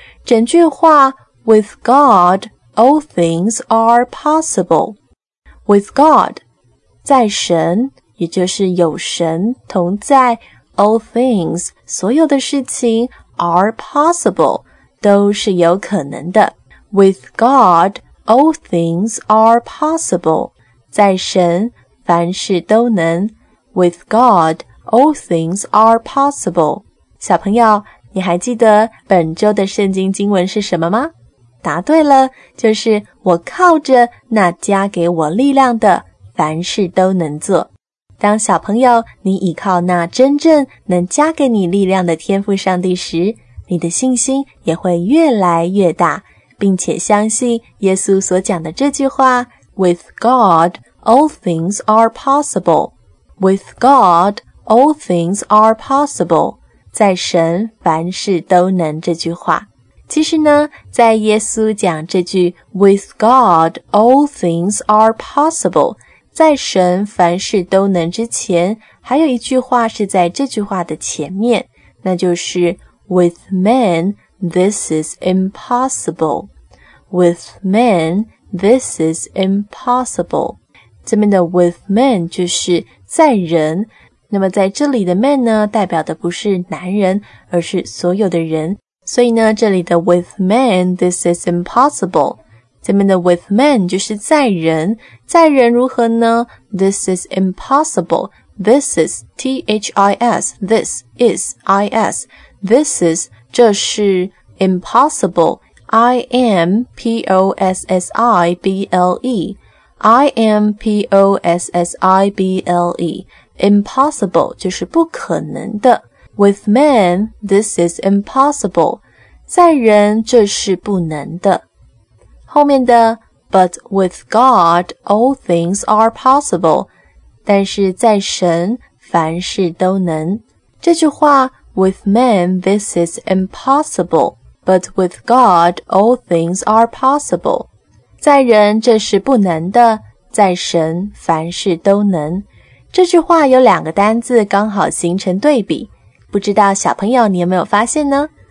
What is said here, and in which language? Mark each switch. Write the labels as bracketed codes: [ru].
[zh] 整句话 [en] with God, all things are possible. With God, [zh] 在神，也就是有神同在， [en] All things, [zh] 所有的事情 [en] are possible, [zh] 都是有可能的。 [en] With God, all things are possible. [zh] 在神，凡事都能。 [en] With God, all things are possible. [zh] 小朋友，你还记得本周的圣经经文是什么吗？答对了，就是我靠着那加给我力量的，凡事都能做。当小朋友，你倚靠那真正能加给你力量的天父上帝时，你的信心也会越来越大，并且相信耶稣所讲的这句话 [en] With God, all things are possible. With God, all things are possible. [zh] 在神，凡事都能这句话。其实呢，在耶稣讲这句 [en] With God, all things are possible. [zh] 在神凡事都能之前，还有一句话是在这句话的前面，那就是 [en] With man, this is impossible. With man, this is impossible. [zh] 这边的 with man 就是在人，那么在这里的 man 呢，代表的不是男人，而是所有的人。所以呢，这里的 [en] with man, this is impossible. [zh] 这边的 with man 就是在人，在人如何呢？ [en] This is impossible. This is, T-H-I-S, this is, I-S. This is, [zh] 这是 [en] impossible. I-M-P-O-S-S-I-B-L-E. I-M-P-O-S-S-I-B-L-E. [zh] Impossible, 就是不可能的。 [en] With man, this is impossible. [zh] 在人这是不能的。后面的 [en] But with God, all things are possible. [zh] 但是在神，凡事都能。这句话 [en] With man, this is impossible. But with God, all things are possible. [zh] 在人这是不能的，在神凡事都能。这句话有两个单字刚好形成对比，不知道小朋友你有没有发现呢？